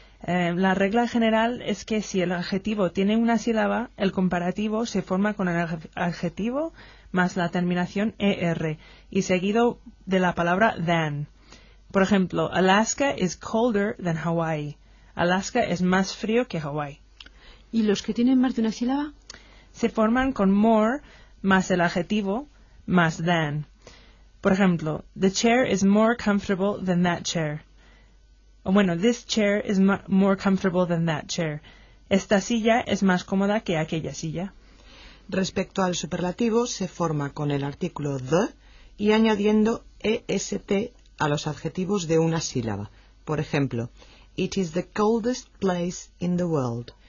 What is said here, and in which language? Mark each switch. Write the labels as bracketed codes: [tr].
[es] La regla general es que si el adjetivo tiene una sílaba, el comparativo se forma con el adjetivo más la terminación er, y seguido de la palabra than. Por ejemplo, [en] Alaska is colder than Hawaii. [es] Alaska es más frío que Hawaii. ¿Y los que tienen más de una sílaba? Se forman con more más el adjetivo más than. Por ejemplo, [en] the chair is more comfortable than that chair. [es] O bueno, [en] this chair is more comfortable than that chair. [es] Esta silla es más cómoda que aquella silla. Respecto al superlativo, se forma con el artículo the y añadiendo est a los adjetivos de una sílaba. Por ejemplo, [en] it is the coldest place in the world.